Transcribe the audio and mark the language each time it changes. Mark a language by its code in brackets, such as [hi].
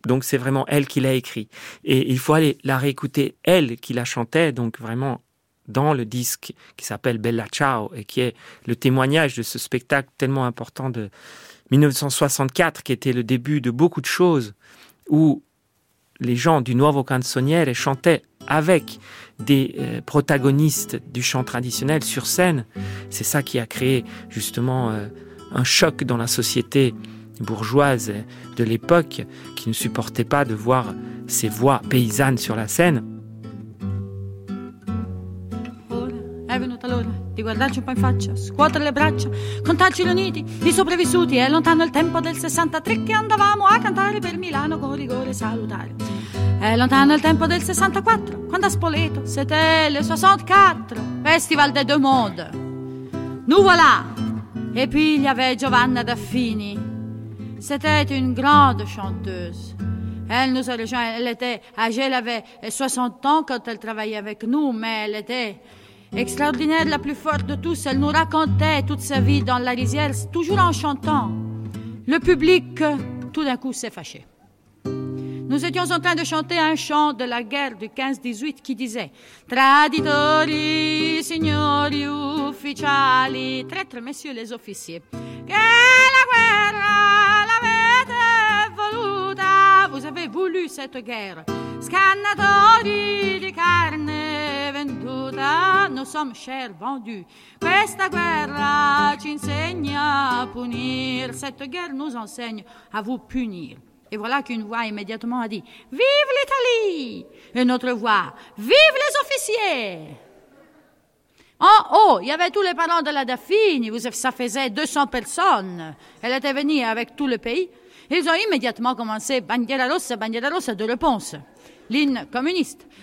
[fr] Donc, c'est vraiment elle qui l'a écrit. Et il faut aller la réécouter, elle qui la chantait, donc vraiment dans le disque qui s'appelle Bella Ciao, et qui est le témoignage de ce spectacle tellement important de 1964, qui était le début de beaucoup de choses, où les gens du Nuovo Canzoniere chantaient avec des protagonistes du chant traditionnel sur scène. C'est ça qui a créé justement un choc dans la société bourgeoise de l'époque, qui ne supportait pas de voir ces voix paysannes sur la scène. [it] È venuta l'ora di guardarci un po' in faccia, scuotere le braccia, contarci gli uniti, i sopravvissuti. È lontano il tempo del 63 che andavamo a cantare per Milano con rigore salutare. È lontano il tempo del 64 quando a Spoleto [fr] c'était le 64 Festival des deux mondes. Nous voilà! E puis il y avait Giovanna Daffini. C'était une grande chanteuse. Elle nous a rejoint, elle était âgée, elle avait 60 ans quand elle travaillait avec nous, mais elle était extraordinaire, la plus forte de tous, elle nous racontait toute sa vie dans la rizière, toujours en chantant. Le public, tout d'un coup, s'est fâché. Nous étions en train de chanter un chant de la guerre du 15-18 qui disait « [it] Traditori, signori ufficiali, [fr] traîtres, messieurs les officiers, [it] che la guerra l'avete voluta, [fr] vous avez voulu cette guerre, [it] scannatori di carne, venduta, [fr] nous sommes chers vendus. [it] Questa guerra ci insegna a punir. [fr] Cette guerre nous enseigne à vous punir. Et voilà qu'une voix immédiatement a dit « Vive l'Italie !» Et notre voix « Vive les officiers !» En haut, il y avait tous les parents de la Daffini. Ça faisait 200 personnes. Elle était venue avec tout le pays. Ils ont immédiatement commencé « bandiera rossa » de réponse. L'hymne communiste.